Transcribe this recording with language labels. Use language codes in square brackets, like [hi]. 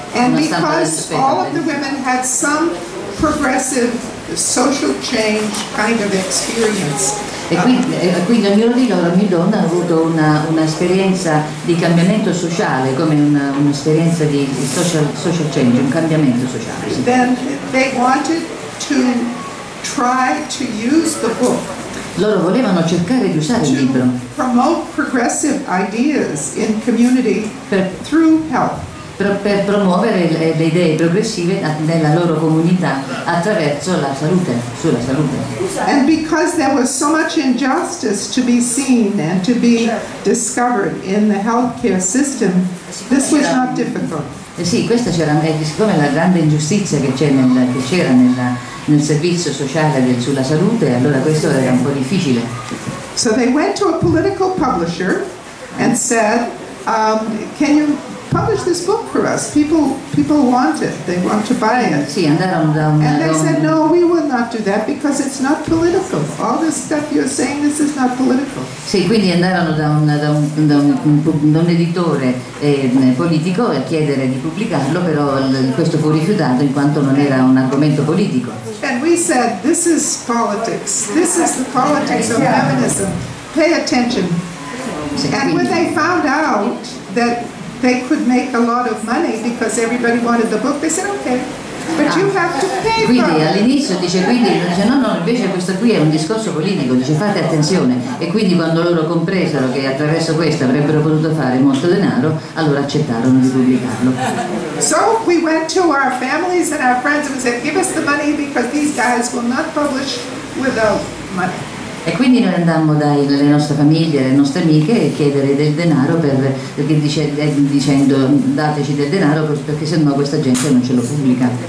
[en] And because all of the women had some progressive social change kind of experience. [it] E quindi ognuno di loro, ogni donna, ha avuto una esperienza di cambiamento sociale, come un'esperienza di social change, un cambiamento sociale. [en] Then they wanted to try to use the book. [it] Loro volevano cercare di usare il libro. [en] To promote progressive ideas in community through health. [it] per promuovere le idee progressive nella loro comunità attraverso la salute, sulla salute. [en] And because there was so much injustice to be seen and to be discovered in the healthcare system, this was not difficult. [it] Sì, questa c'era, siccome la grande ingiustizia che c'era nel servizio sociale sulla salute, allora questo era un po' difficile. [en] So they went to a political publisher and said, can you publish this book for us? People want it. They want to buy it. [it] Sì, andarono da un... [en] And they said, no, we will not do that because it's not political. All this stuff you're saying, this is not political. [it] Sì, quindi andarono da un editore politico a chiedere di pubblicarlo, però questo fu rifiutato in quanto non era un argomento politico. [en] And we said, this is politics. This is the politics of feminism. Pay attention. And when they found out that they could make a lot of money because everybody wanted the book, they said, okay, but you have to pay for it. [it] Quindi all'inizio dice, quindi dice, no, invece questo qui è un discorso politico, dice, fate attenzione. E quindi quando loro compresero che attraverso questo avrebbero potuto fare molto denaro, allora accettarono di pubblicarlo. [en] So we went to our families and our friends and said, give us the money because these guys will not publish without money. [it] E quindi noi andammo dalle nostre famiglie, alle nostre amiche e chiedere del denaro dicendo dateci del denaro perché sennò questa gente non ce lo pubblica.